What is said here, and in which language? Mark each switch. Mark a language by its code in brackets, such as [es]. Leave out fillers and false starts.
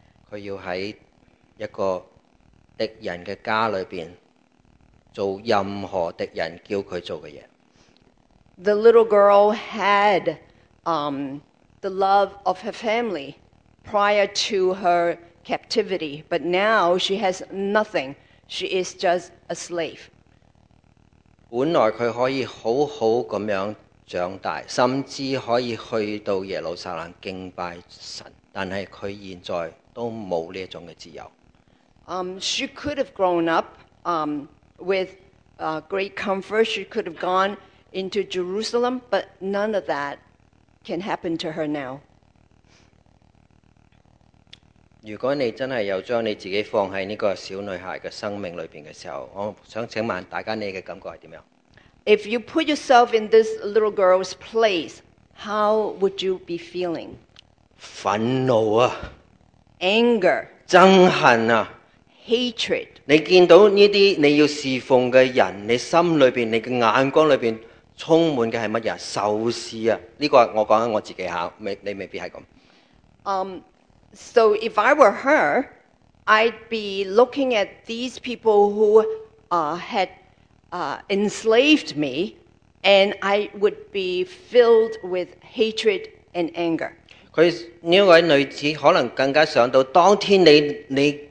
[yue] 佢要喺一个敌人嘅家里边。做任何敵人叫佢做嘅嘢。 [en] The little girl had the love of her family prior to her captivity, but now she has nothing. She is just a slave. [yue] 本来佢可以好好咁样长大，甚至可以去到耶路撒冷敬拜神，但系佢现在都冇呢一种嘅自由。 [en] She could have grown up. With great comfort, she could have gone into Jerusalem, but none of that can happen to her now. [yue] 如果你真係又將你自己放喺呢個小女孩嘅生命裏邊嘅時候，我想請問大家，你嘅感覺係點樣？ [en] If you put yourself in this little girl's place, how would you be feeling? [yue] 憤怒啊！ [en] Anger. [yue] 憎恨啊！ [en] Hatred. [yue] 你见到呢啲你要侍奉嘅人，你心里边、你嘅眼光里边充满嘅系乜嘢？仇视啊！呢个我讲紧我自己吓，你未必系咁。 [en] So if I were her, I'd be looking at these people who had enslaved me, and I would be filled with hatred and anger. [yue] 佢呢位女子可能更加想到，当天你。